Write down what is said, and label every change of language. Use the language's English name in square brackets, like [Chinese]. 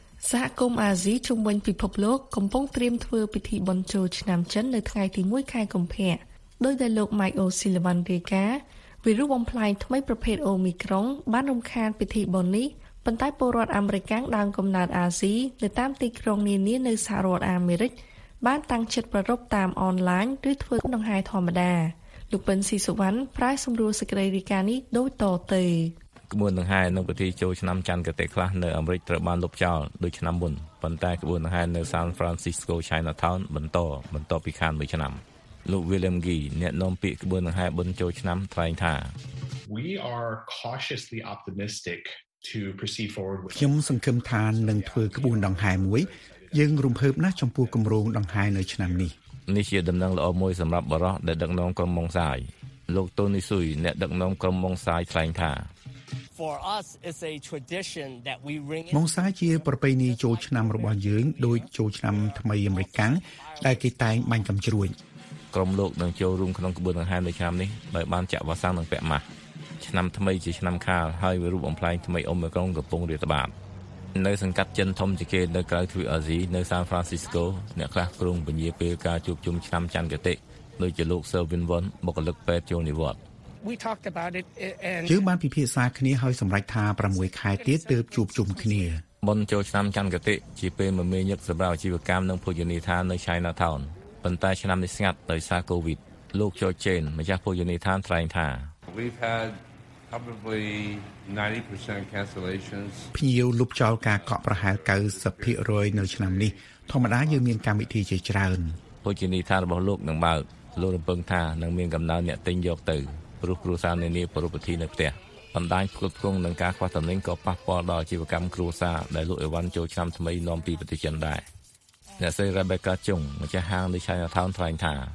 [Khmer] សហគមន៍អាស៊ីជុំវិញពិភពលោកកំពុងត្រៀមធ្វើពិធីបុណ្យចូលឆ្នាំចិននៅថ្ងៃទី1ខែកុម្ភៈដោយដែលលោក Mike O'Sullivan រាយការណ៍វីរុសបំផ្លាញថ្មីប្រភេទ Omicron បានរំខានពិធីបុណ្យនេះប៉ុន្តែពលរដ្ឋអាមេរិកាំងដើមកំណើតអាស៊ីនៅតាមទីក្រុងនានានៅសហរដ្ឋអាមេរិកបានតាំងចិត្តប្រារព្ធតាមអនឡាញឬធ្វើដង្ហែធម្មតាលោកប៉ិនស៊ីសុវណ្ណប្រាយសម្រួលសេចក្តីរាយការណ៍នេះដូចតទៅ ក្បួនដង្ហែនៅពិធីចូលឆ្នាំច័ន្ទកតេខ្លះនៅអាមេរិកត្រូវបានលុបចោលដូចឆ្នាំមុនប៉ុន្តែក្បួនដង្ហែនៅ San Francisco Chinatown បន្តពីខានមួយឆ្នាំលោក William Gee អ្នកនាំពាក្យក្បួនដង្ហែបុណ្យចូលឆ្នាំថ្លែងថា [English] We are cautiously optimisticto proceed forward with [Khmer] ខ្ញុំសង្ឃឹមថានឹងធ្វើក្បួនដង្ហែមួយយើងរំភើបណាស់ចំពោះគម្រោងដង្ហែនៅឆ្នាំនេះ នេះជាដំណឹងល្អមួយសម្រាប់បរិសុទ្ធដែលដឹកនាំក្រុមម៉ង់សាយលោកតូនីស៊ុយអ្នកដឹកនាំក្រុមម៉ង់សាយថ្លែងថា [English] For us it's a tradition that we ring [Khmer] ម៉ង់សាយជាប្រពៃណីចូលឆ្នាំរបស់យើងដូចចូលឆ្នាំថ្មីអាមេរិកដែលគេតែងបាញ់កំជ្រួច ក្រុមលោកនឹងចូលរួមក្នុងក្បួនដង្ហែនៅឆ្នាំនេះដោយបានចាក់វ៉ាក់សាំងនឹងពាក់ម៉ាស់ឆ្នាំថ្មីជាឆ្នាំខាលហើយវារូបអំឡែងថ្មីអូមីក្រុងកំពុងរាតត្បាតនៅសង្កាត់ចិនធំជាងគេនៅក្រៅទ្វីបអាស៊ីនៅសាន់ហ្វរង់ស៊ីស្កូអ្នកខ្លះក្រុមពញាពេលការជួបជុំឆ្នាំច័ន្ទកតិដូចជាលោក Selvin Won បុគ្គលិកពេទ្យចូលនិវត្តន៍ [English] We talked about it and [Khmer] គឺបានពិភាក្សាគ្នាហើយសម្រេចថា6ខែទៀតទើបជួបជុំគ្នា បន្ទោឆ្នាំច័ន្ទកតិជាពេលមមាញឹកសម្រាប់អាជីវកម្មនិងភោជនីយដ្ឋាននៅ Chinatown ប៉ុន្តែឆ្នាំនេះស្ងាត់ដោយសារ COVID លោកចូចេនម្ចាស់ភោជនីយដ្ឋានថ្លែងថា [English] We've had probably 90% cancellations. [Khmer] ភីយលុបចោលការកក់ប្រហែល 90% នៅឆ្នាំនេះ។ធម្មតាយើងមានកម្មវិធីជាច្រើន ។ភោជនីយដ្ឋានរបស់លោកនឹងបើក។លោករំពឹងថានឹងមានកំណើនអ្នកទិញយកទៅព្រោះគ្រួសារនានាប្រពៃទីនៅផ្ទះ។បណ្ដាញផ្គត់ផ្គង់នឹងការខ្វះតំណែងក៏ប៉ះពាល់ដល់អាជីវកម្មគ្រួសារដែលលោកអេវ៉ាន់ចូលឆ្នាំថ្មីនាំពីប្រទេសចិនដែរ។អ្នកស្រី Rebecca Chung ម្ចាស់ហាងនៅ Chinatown ថ្លែងថា